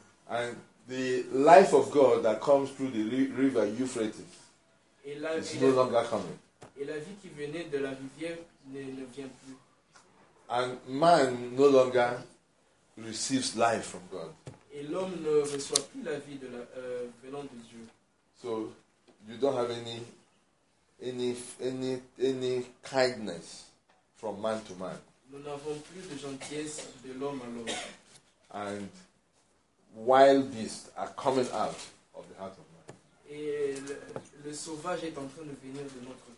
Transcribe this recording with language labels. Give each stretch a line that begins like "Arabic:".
English: And the life of God that comes through the river Euphrates. It's no longer coming.
French: Et la vie qui venait de la rivière ne vient plus.
English: And man no longer receives life from God.
French: Et l'homme ne reçoit plus la vie de venant de Dieu.
English: So you don't have any kindness from man to man.
French: Nous n'avons plus de gentillesse de l'homme à l'homme.
English: And wild beasts are coming out of the heart of man.
French: Et le sauvage est en train de venir de notre cœur.